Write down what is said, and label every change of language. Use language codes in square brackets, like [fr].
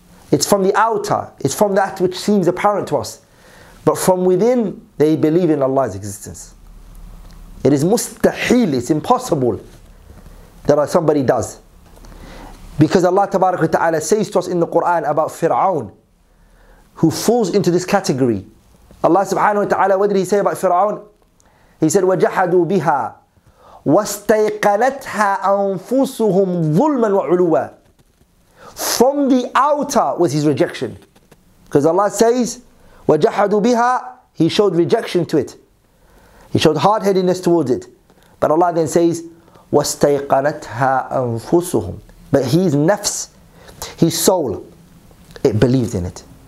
[en] It's from the outer. It's from that which seems apparent to us. But from within, they believe in Allah's existence. It is mustahil, it's impossible that somebody does. Because Allah tabarak wa ta'ala says to us in the Quran about Fir'aun, who falls into this category. Allah subhanahu wa ta'ala, what did He say about Fir'aun? He said, [ar] وَجَحَدُوا بِهَا وَاسْتَيْقَنَتْهَا أَنفُسُهُمْ ظُلْمًا وَعُلُوًا. [en] From the outer was his rejection. Because Allah says, [ar] وَجَحَدُوا بِهَا, [en] he showed rejection to it. He showed hard-headedness towards it. But Allah then says, [ar] وَاسْتَيْقَنَتْهَا أَنفُسُهُمْ. [en] But his nafs, his soul, it believed in it.